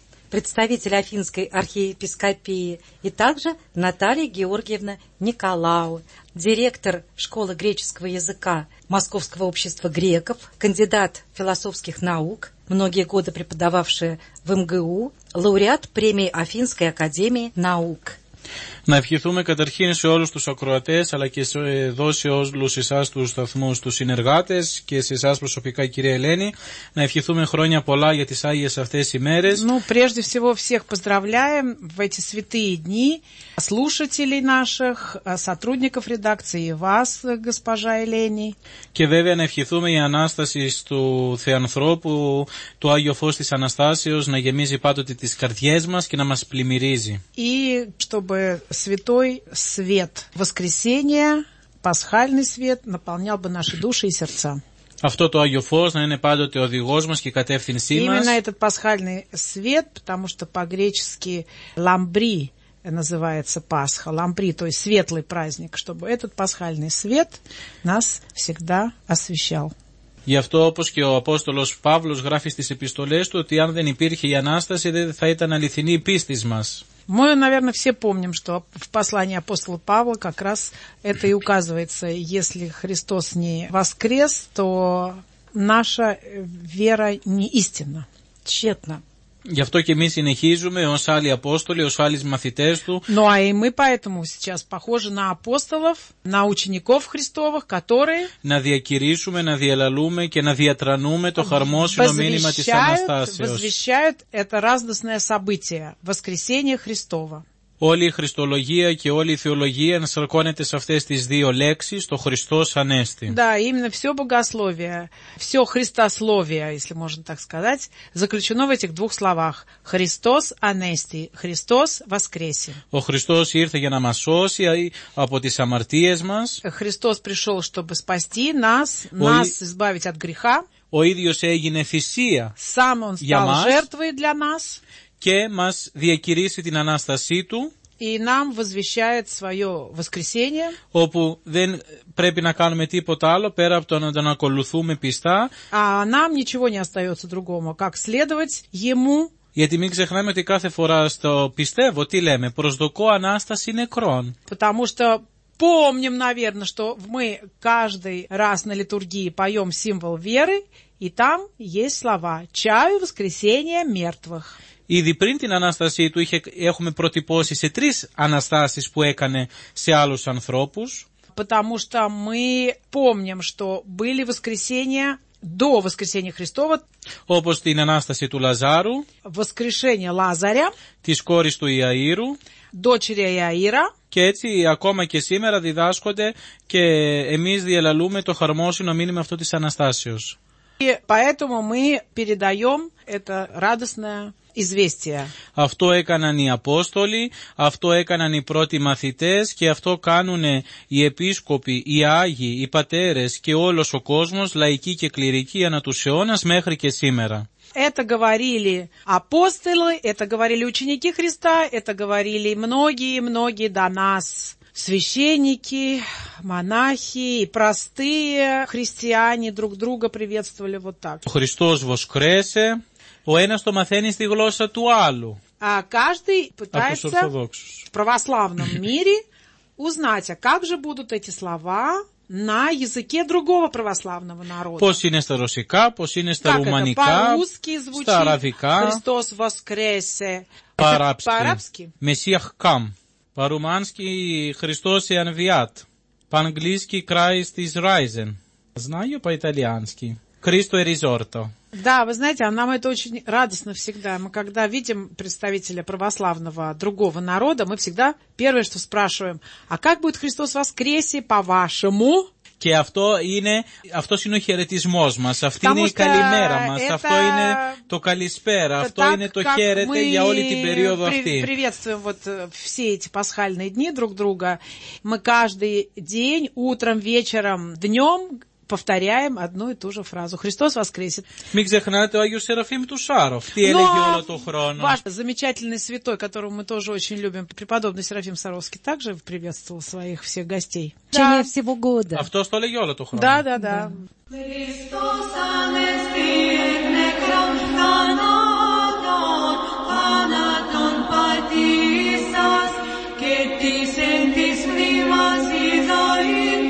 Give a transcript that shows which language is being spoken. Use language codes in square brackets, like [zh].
[ru] Представитель Афинской архиепископии, и также Наталья Георгиевна Николау, директор школы греческого языка Московского общества греков, кандидат философских наук, многие годы преподававшая в МГУ, лауреат премии Афинской академии наук. [el] Να ευχηθούμε καταρχήν σε όλους τους ακροατές, αλλά και εδώ σε όλους εσάς τους σταθμούς, τους συνεργάτες και σε εσάς προσωπικά, κυρία Ελένη, να ευχηθούμε χρόνια πολλά για τις Άγιες αυτές οι μέρες. [ru] Ну, прежде всего, всех поздравляем в эти святые дни слушателей наших, сотрудников редакции и вас, госпожа Ελένη. [el] Και βέβαια να ευχηθούμε η Ανάσταση του Θεανθρώπου, το Άγιο Φως της Αναστάσεως, να γεμίζει πάντοτε τις καρδιές μας και να μας πλημμυρίζει. [ru] И чтобы Святой свет воскресения, пасхальный свет наполнял бы наши души и сердца. [el] Αυτό το Άγιο Φως να είναι πάντοτε οδηγός μας και κατεύθυνσή μας. [ru] Именно этот пасхальный свет, потому что по-гречески «ламбри» называется Пасха, «ламбри», то есть светлый праздник, чтобы этот пасхальный свет нас всегда освещал. [el] Γι' αυτό όπως και ο Απόστολος Παύλος γράφει στις επιστολές του ότι αν δεν υπήρχε η Ανάσταση δεν θα ήταν αληθινή η πίστη μας. [ru] Мы, наверное, все помним, что в послании апостола Павла как раз это и указывается. Если Христос не воскрес, то наша вера не истинна, тщетна. [el] Γι' αυτό και εμείς συνεχίζουμε ως άλλοι Απόστολοι, ως άλλοι μαθητές του. [ru] Ну, а и мы поэтому сейчас похожи на апостолов, на учеников Христовых, которые... [el] Να διακηρύσουμε, να διαλαλούμε και να διατρανούμε το χαρμόσυνο μήνυμα της Αναστάσεως. [ru] Возвещают это радостное событие, воскресение Христова. [el] Όλη η Χριστολογία και όλη η Θεολογία ενσαρκώνεται σε αυτές τις δύο λέξεις, το Χριστός Ανέστη. [ru] Да, именно все богословие, все христословие, если можно так сказать, заключено в этих двух словах. Христос [el] Ανέστη, [ru] Христос воскресе. [el] Ο Христос ήρθε για να μας σώσει από τις αμαρτίες μας. [ru] Христос пришел, чтобы спасти нас, нас избавить от греха. [el] Ο ίδιος έγινε θυσία για μας. [ru] Сам он стал жертвой для нас. [el] Και μας διακηρύσει την Ανάστασή Του [ru] и нам возвещает свое воскресение. [el] Опу δεν πρέπει να κάνουμε τίποτα άλλο πέρα από το να τον ακολουθούμε πιστά. [ru] А нам ничего не остается другого, как следовать ему. [el] Γιατί μην ξεχνάμε ότι κάθε φορά στο πιστεύω, τι λέμε, προσδοκώ ανάσταση νεκρών. [ru] Потому что помним, наверное, что мы каждый раз на литургии поем символ веры, и там есть слова «Чаю воскресения мертвых». [el] Ήδη πριν την Ανάστασή του έχουμε προτυπώσει σε τρεις Αναστάσεις που έκανε σε άλλους ανθρώπους. [ru] Потому что мы помним, что были воскресения до воскресения Христова. [el] Όπως την Ανάσταση του Λαζάρου. [ru] Воскрешение Лазаря. [el] Της κόρης του Ιαΐρου. [ru] Дочери Ιαΐρα. [el] Και έτσι ακόμα και σήμερα διδάσκονται και εμείς διαλαλούμε το χαρμόσυνο μήνυμα αυτό της Αναστάσεως. [ru] И поэтому мы передаем это радостное известие. [el] Αυτό έκαναν οι Απόστολοι, αυτό έκαναν οι πρώτοι μαθητές και αυτό κάνουν οι επίσκοποι, οι Άγιοι, οι πατέρες και όλος ο κόσμος, λαϊκοί και κληρικοί, ανά τους αιώνας μέχρι και σήμερα. [ru] Это говорили апостолы, это говорили ученики Христа, это говорили многие-многие до нас. Священники, монахи и простые христиане друг друга приветствовали вот так. Христос воскресе, [el] у ένας то мathenis ти глоса ту алу. [ru] А каждый пытается в православном мире узнать, а как же будут эти слова на языке другого православного народа. [el] Пос είναι στα ρωσικά, пос είναι στα ρουμανικά, στα αραβικά. [ru] Христос воскресе. По-арабски. [ar] Мессиях кам. [ru] По-румански [ro] «Христос и анвиат». [ru] По-английски [en] «Christ is risen». [ru] Знаю по-итальянски. [it] «Christo e risorto». [ru] Да, вы знаете, а нам это очень радостно всегда. Мы когда видим представителя православного другого народа, мы всегда первое, что спрашиваем, а как будет «Христос воскресе» по-вашему? [el] Και αυτό είναι, αυτός είναι ο χαιρετισμός μας, αυτή είναι η καλημέρα μας, αυτό είναι το καλησπέρα, αυτό είναι το χαίρετε για όλη την περίοδο αυτή. [ru] Приветствуем вот все эти пасхальные дни друг друга. Мы каждый день, утром, вечером, днем повторяем одну и ту же фразу. Христос воскресит. [el] Μην ξεχνάτε ο Άγιος Σεραφείμ του Σάρωφ. Τι έλεγε όλο το χρόνο. [ru] Ваш замечательный святой, которого мы тоже очень любим, преподобный Серафим Саровский, также приветствовал своих всех гостей. В течение всего года. [el] Αυτός το έλεγε όλο το χρόνο. [ru] Да, да, да. [el] Христос ανέστη εκ νεκρών θανάτων, θάνατον πατήσας και της εν της μνήμας η ζωή.